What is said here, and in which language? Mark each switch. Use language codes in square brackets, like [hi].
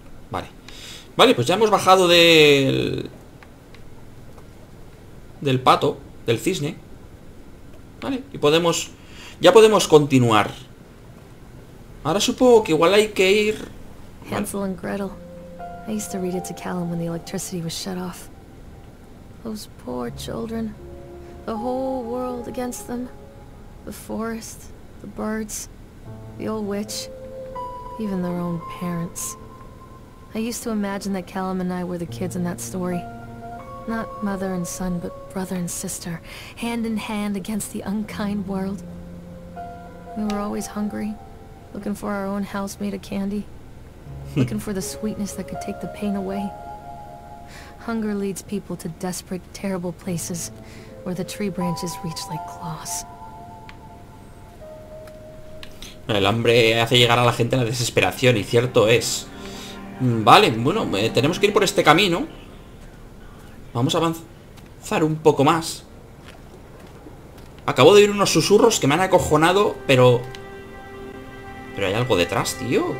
[es] Vale. Vale, pues ya hemos bajado del pato, del cisne. Vale, y podemos... Ya podemos continuar. Ahora supongo que igual hay que ir... Hansel y Gretel. [en] I used to read it to Callum when the electricity was shut off. Those poor children. The whole world against them. The forest, the birds, the old witch, even their own parents. I used to imagine that Callum and I were the kids in that story. Not mother and son, but brother and sister, hand in hand against the unkind world. We were always hungry, looking for our own house made of candy, looking for the sweetness that could take the pain away. Hunger leads people to desperate, terrible places where the tree branches reach like claws. [es] El hambre hace llegar a la gente a la desesperación, y cierto es. Vale, bueno, tenemos que ir por este camino. Vamos a avanzar un poco más. Acabo de oír unos susurros que me han acojonado, pero... ¿Pero hay algo detrás, tío?